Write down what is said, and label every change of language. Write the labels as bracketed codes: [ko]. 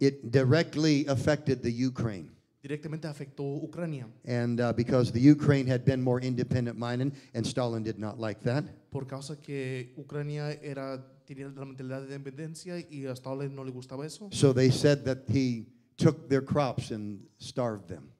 [en] It directly affected the Ukraine. [es] Directamente afectó Ucrania. [en] And because the Ukraine had been more independent mining, and Stalin did not like that. [es] Por causa que Ucrania era tenía la mentalidad de independencia y a Stalin no le gustaba eso. [en] So they said that he took their crops and starved them.